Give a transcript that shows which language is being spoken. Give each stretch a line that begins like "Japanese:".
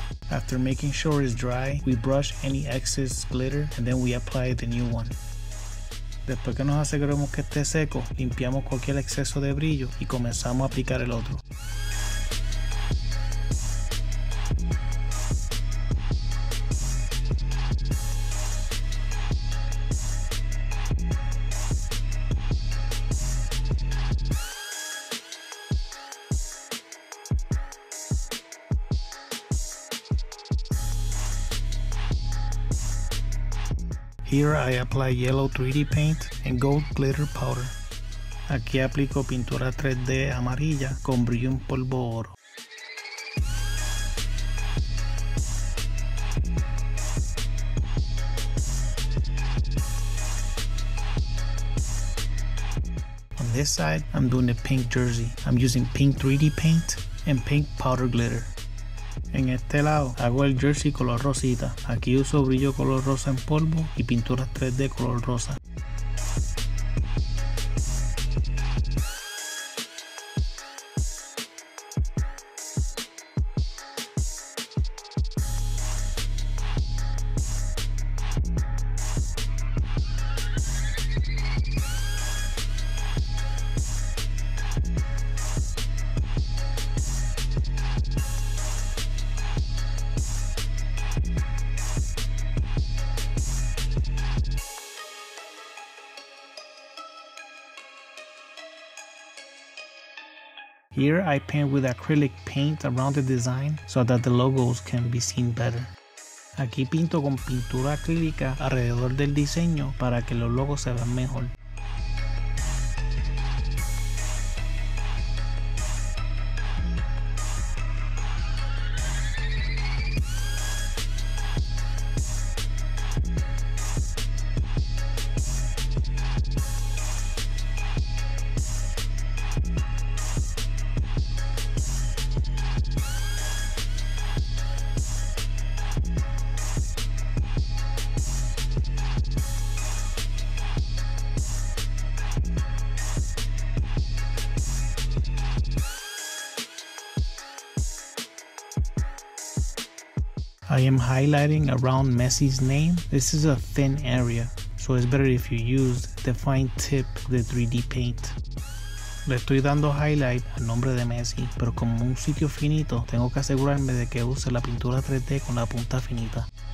English: After making sure it's dry, we brush any excess glitter and then we apply the new one.
Spanish: Después que nos aseguremos que esté seco, limpiamos cualquier exceso de brillo y comenzamos a aplicar el otro.
English: Here I apply yellow 3D paint and gold glitter powder.
Spanish: Aquí aplico pintura 3D amarilla con brillo en polvo oro.
English: On this side, I'm doing a pink jersey. I'm using pink 3D paint and pink powder glitter.
Spanish: En este lado hago el jersey color rosita. Aquí uso brillo color rosa en polvo y pinturas 3D color rosa.
English: Here I paint with acrylic paint around the design so that the logos can be seen better.
Spanish: Aquí pinto con pintura acrílica alrededor del diseño para que los logos se vean mejor.
English: I am highlighting around Messi's name. This is a thin area, so it's better if you use the fine tip of the 3D paint.
Spanish: Le estoy dando highlight al nombre de Messi, pero como un sitio finito, tengo que asegurarme de que use la pintura 3D con la punta finita.